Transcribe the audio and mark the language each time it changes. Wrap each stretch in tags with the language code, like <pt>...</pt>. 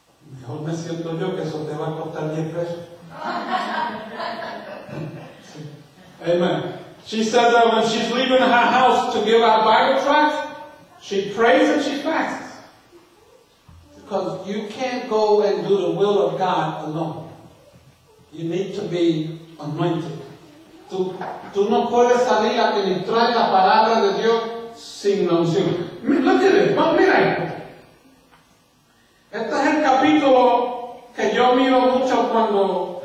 <es>Mejor me siento yo que eso te va a costar 10 pesos.</es> <en>Amen. She says that when she's leaving her house to give out Bible tracts, she prays and she fasts. Because you can't go and do the will of God alone. You need to be anointed.</en> <es>Tú no puedes salir a ministrar la palabra de Dios sin la unción.</es> <en>Look at it. Well,</en> <es>mira. Este es el capítulo que yo miro mucho cuando</es>